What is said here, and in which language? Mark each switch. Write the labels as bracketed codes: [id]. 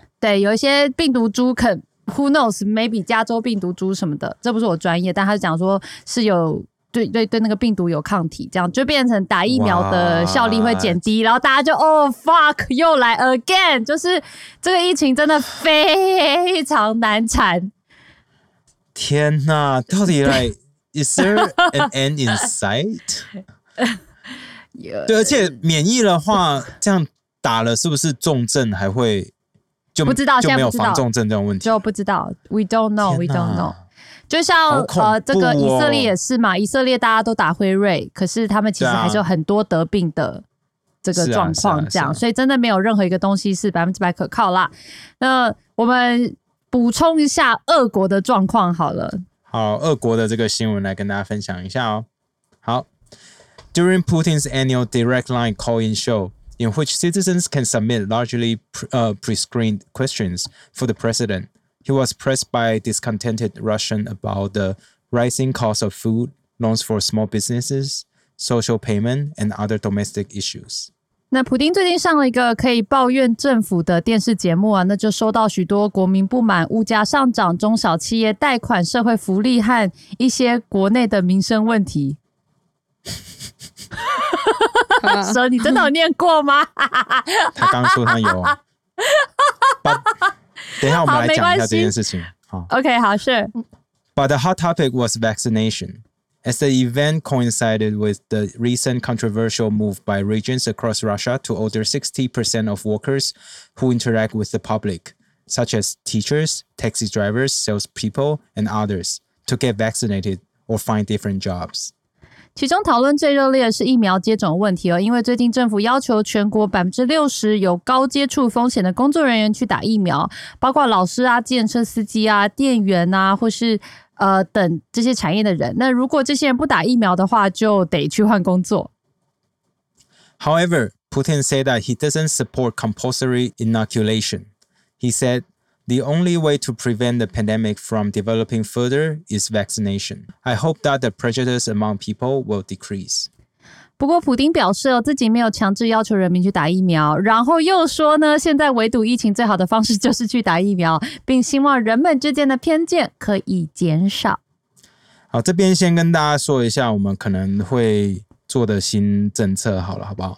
[zh] 对，有一些病毒株， [en] who knows, maybe [zh] 加州病毒株什么的，这不是我专业，但他就讲说是有。对对对，那个病毒有抗体，这样就变成打疫苗的效力会减低，然后大家就哦 [en] fuck [zh] 又来 [en] again， [zh] 就是这个疫情真的非常难缠。天哪，到底 [en] like is there an end in sight？ [zh] 对，而且免疫的话，这样打了是不是重症还会就不知道就没有防重症这种问题？就不知道 [en] ，we don't know，we don't know。 [zh] 就像、这个以色列也是嘛，以色列大家都打辉瑞，可是他们其实还是有很多得病的这个状况，这样、啊啊啊，所以真的没有任何一个东西是百分之百可靠啦。那我们补充一下俄国的状况好了。好，俄国的这个新闻来跟大家分享一下哦。好 [en] ，During Putin's annual Direct Line call-in show, in which citizens can submit largely pre-screened questions for the president. He was pressed by discontented Russians about the rising cost of food, loans for small businesses, social payment, and other domestic issues. [zh] 那普丁最近上了一个可以抱怨政府的电视节目啊，那就收到许多国民不满物价上涨、中小企业贷款、社会福利和一些国内的民生问题。蛇，你真的有念过吗？他刚说他有。等一下我们来讲一下这件事情。好 [en] OK, [zh] 好 [en] sure. But the hot topic was vaccination. As the event coincided with the recent controversial move by regions across Russia to order 60% of workers who interact with the public, such as teachers, taxi drivers, salespeople, and others, to get vaccinated or find different jobs. [zh] 其中讨论最热烈的是疫苗接种问题哦，因为最近政府要求全国 60% 有高接触风险的工作人员去打疫苗，包括老师啊、计程车司机啊、店员啊，或是等这些产业的人。那如果这些人不打疫苗的话，就得去换工作。 [en] However, Putin said that he doesn't support compulsory inoculation. He said. The only way to prevent the pandemic from developing further is vaccination. I hope that the prejudice among people will decrease. [zh] 不过普丁表示、自己没有强制要求人民去打疫苗，然后又说呢，现在围堵疫情最好的方式就是去打疫苗，并希望人们之间的偏见可以减少。好，这边先跟大家说一下我们可能会做的新政策好了，好不好？